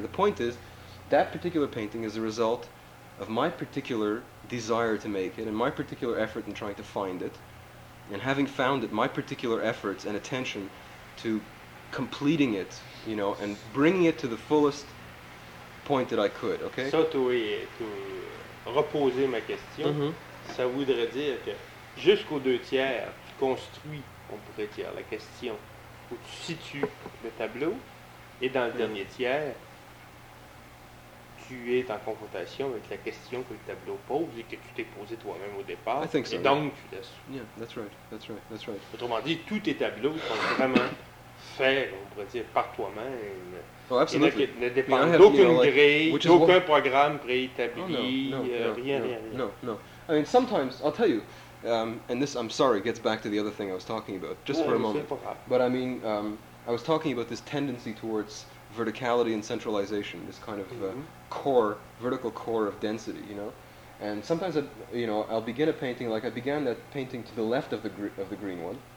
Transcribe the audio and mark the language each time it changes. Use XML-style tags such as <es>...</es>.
<en>The point is, that particular painting is a result of my particular desire to make it and my particular effort in trying to find it. And having found it, my particular efforts and attention to completing it, you know, and bringing it to the fullest point that I could, okay? So to reposer my question, mm-hmm.</en> <fr>ça voudrait dire que jusqu'aux deux tiers, construit, on pourrait dire, la question où tu situes le tableau, et dans le dernier tiers, tu es en confrontation avec la question que le tableau pose et que tu t'es posé toi-même au départ.</fr> <en>I think so,</en> <fr>et donc tu laisses.</fr> <en>Yeah, that's right.</en> <fr>Autrement dit, tous tes tableaux sont vraiment faits, on pourrait dire, par toi-même.</fr> <en>Oh, absolutely.</en> <fr>Et ne dépendent d'aucune grille, d'aucun programme préétabli,</fr> <en>rien. I mean, sometimes, I'll tell you. And this, I'm sorry, gets back to the other thing I was talking about, just for a moment. But I mean, I was talking about this tendency towards verticality and centralization, this kind of vertical core of density, you know? And sometimes, I'll begin a painting, like I began that painting to the left of the green one,</en>